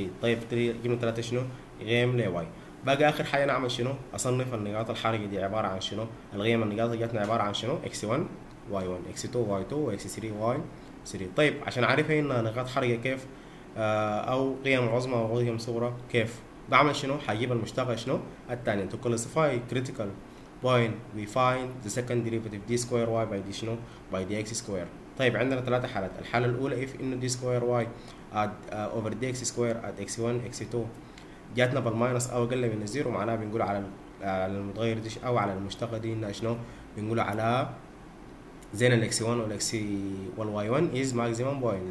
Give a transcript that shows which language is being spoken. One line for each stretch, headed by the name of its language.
Arabic: طيب جبنا ثلاثة شنو؟ قيم لـ y. باقي آخر حاجة نعمل شنو؟ أصنف النقاط الحرجة دي عبارة عن شنو؟ القيم النقاط اللي جاتنا عبارة عن شنو؟ x1 y1، x2 y2، x3 y3. طيب عشان اعرف هنا نقاط حرجه كيف، او قيم عظمى وقيم صغرى كيف، بعمل شنو؟ هجيب المشتقه شنو؟ الثانيه.
English: to classify critical point we find the second derivative d square y by d
Arabic: شنو؟
English: by dx square.
Arabic: طيب عندنا ثلاثة حالات. الحالة الأولى if انه d square y at over dx square at x1 x2 جاتنا بالماينس أو أقل من الزيرو، معناها بنقول على المتغير دي أو على المشتقة دي إنها شنو؟ بنقول على زين الـ x1 والـ x والـ y1
English: is maximum point.